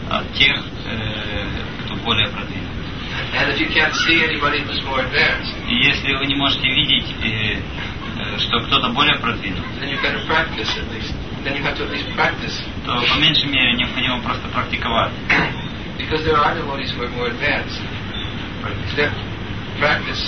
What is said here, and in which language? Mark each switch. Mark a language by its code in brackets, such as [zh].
[ru] От тех, кто более продвинут. [en] And if you can't see anybody who's more advanced, then you have to at least practice. [ru] То по меньшей мере необходимо просто практиковать. [en] Because there are devotees who are more advanced.